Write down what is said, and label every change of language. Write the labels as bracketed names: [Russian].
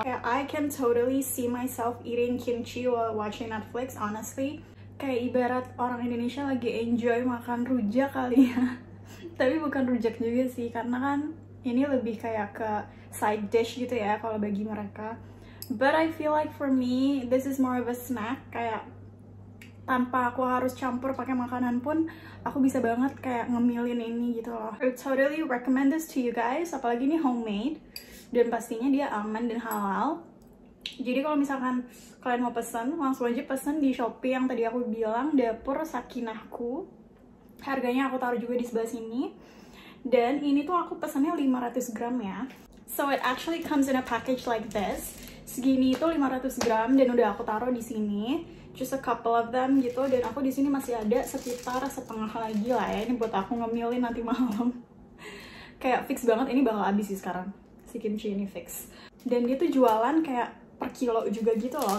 [English] Kayak I can totally see myself eating kimchi while watching Netflix, honestly. [Indonesian] Kayak ibarat orang Indonesia lagi enjoy makan rujak kali ya. Tapi bukan rujak juga sih, karena kan ini lebih kayak ke side dish gitu ya kalau bagi mereka. [English] But I feel like for me, this is more of a snack. [Indonesian] Kayak tanpa aku harus campur pakai makanan pun, aku bisa banget kayak ngemilin ini gitu loh. [English] I totally recommend this to you guys, [Indonesian] apalagi ini homemade. Dan pastinya dia aman dan halal. Jadi kalau misalkan kalian mau pesen, langsung aja pesen di Shopee yang tadi aku bilang, Dapur Sakinahku. Harganya aku taruh juga di sebelah sini. Dan ini tuh aku pesennya 500 gram ya. [English] So it actually comes in a package like this. [Indonesian] Segini itu 500 gram dan udah aku taruh di sini. [English] Just a couple of them [Indonesian] gitu, dan aku di sini masih ada sekitar setengah lagi lah ya. Ini buat aku ngemilin nanti malam. Kayak fix banget ini bakal habis sih sekarang. Si kimchi ini fix. Dan dia tuh jualan kayak per kilo juga gitu loh.